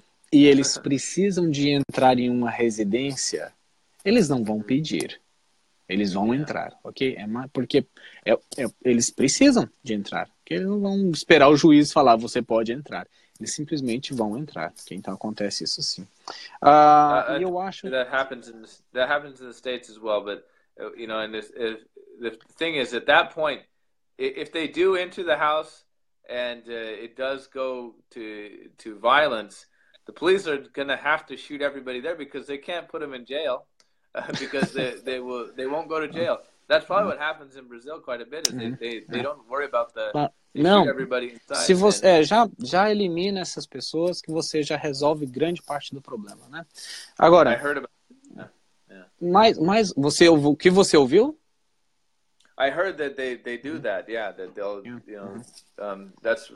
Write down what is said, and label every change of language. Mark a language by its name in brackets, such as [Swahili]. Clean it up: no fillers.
[Portuguese] E eles precisam de entrar em uma residência, eles não vão pedir. Eles vão entrar, ok? Porque eles precisam de entrar. Porque eles não vão esperar o juiz falar, você pode entrar. Eles simplesmente vão entrar. Okay? Então acontece isso sim. Eu acho... [English] That happens in the States as well, but, and the thing is, at that point, if they do enter the house and it does go to violence, the police are going to have to shoot everybody there because they can't put them in jail. Because they won't go to jail. That's probably what happens in Brazil quite a bit. They don't worry about everybody inside. [Portuguese] Se você já elimina essas pessoas, que você já resolve grande parte do problema, né? Agora. [English] I heard about. [Portuguese] Mas você ouviu? O que você ouviu? [English] I heard that they do that. Yeah, that they'll that's